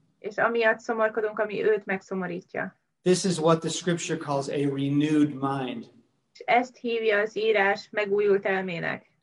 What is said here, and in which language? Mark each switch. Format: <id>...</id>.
<hu>És amiatt szomorkodunk, ami őt megszomorítja.</hu> <en>This is what the scripture calls a renewed mind.</en> <hu>És ezt hívja az írás megújult elmének.</hu>